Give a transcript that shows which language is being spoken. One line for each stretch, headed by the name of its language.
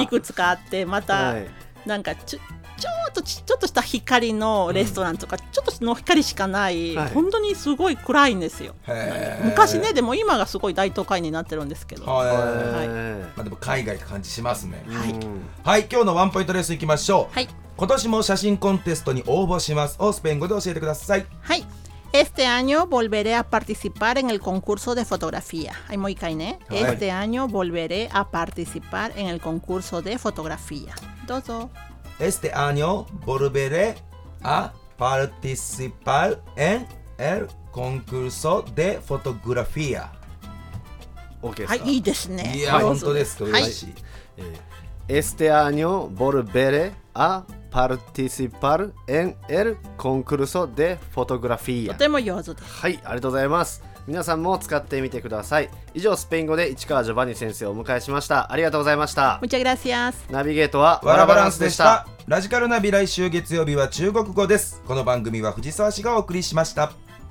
Japanese: いくつかあって、また、はい、なんかちょっとした光のレストランとか、うん、ちょっとの光しかない、はい、本当にすごい暗いんですよ。へ、昔ね、でも今がすごい大都会になってるんですけど、はい、まあ、でも海外って感じしますね、はい、はい、今日のワンポイントレッスンいきましょう、はい、今年も写真コンテストに応募しますをスペイン語で教えてください。
Spanish: はい、Este año volveré a participar en el concurso de fotografía. Ay, muy caine. Este año volveré a participar en el concurso de fotografía.
Japanese: Dozo.
Spanish: Este año volveré a participar en el concurso de fotografía.
English: Okay.
Japanese: Ay, いいですね。いや、本当ですか。嬉しい。
Spanish: Este año volveré a participar en el concurso de fotografía.
Japanese: とても上手です。はい、ありがとうございます。皆さんも使ってみてください。以上、スペイン語で市川ジョバニ先生をお迎えしました。ありがとうございました。
Spanish: Muchas gracias.
Japanese: ナビゲートはワラバランスでした。ラジカルナビ、来週月曜日は中国語です。この番組は藤沢氏がお送りしました。